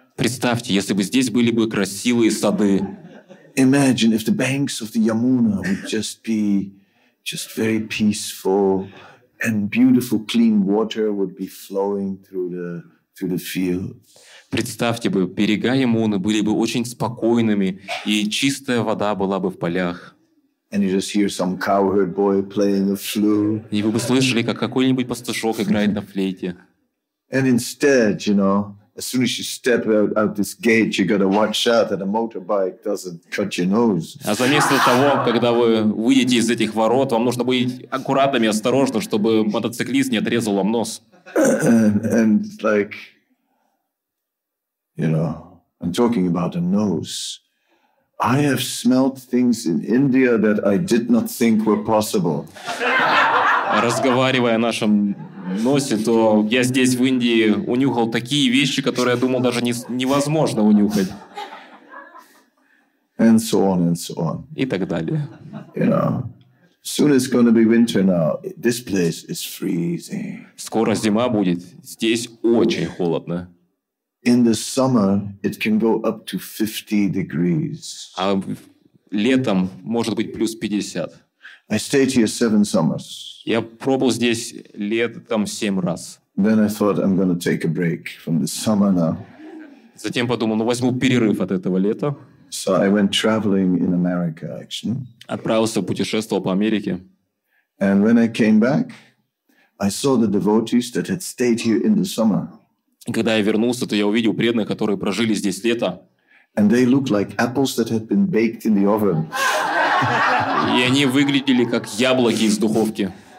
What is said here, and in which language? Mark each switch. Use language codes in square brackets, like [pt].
[ru] Представьте, если бы здесь были бы красивые сады. [en] Imagine if the banks of the Yamuna would just be just very peaceful and beautiful clean water would be flowing through the fields. [ru] Представьте бы, берега Ямуны были бы очень спокойными, и чистая вода была бы в полях. [en] and you just hear some cowherd boy playing the flute. [ru] И вы бы слышали, как какой-нибудь пастушок играет на флейте. [en] And instead, you know, as soon as you step out this gate, you got to watch out that a motorbike doesn't cut your nose. [ru] А заместо того, когда вы выйдете из этих ворот, вам нужно быть аккуратными, осторожно, чтобы мотоциклист не отрезал вам нос. [en] And like, you know, I'm talking about a nose. I have smelled things in India that I did not think were possible. [ru] Разговаривая о нашем носе, то я здесь в Индии унюхал такие вещи, которые я думал даже невозможно унюхать. [en] And so on and so on. [ru] И так далее. [en] You know, soon it's going to be winter now. This place is freezing. [ru] Скоро зима будет. Здесь очень холодно. [en] In the summer, it can go up to 50 degrees. [ru] А летом может быть плюс 50. [en] I stayed here 7 summers. [ru] Я пробыл здесь летом 7 раз. [en] Then I thought I'm going to take a break from the summer now. [ru] Затем подумал, ну возьму перерыв от этого лета. [en] So I went traveling in America, actually. [ru] Отправился, путешествовал по Америке. [en] And when I came back, I saw the devotees that had stayed here in the summer. [ru] И когда я вернулся, то я увидел преданных, которые прожили здесь лето. [en] And they looked like apples that had been baked in the oven. [ru] И они выглядели как яблоки из духовки.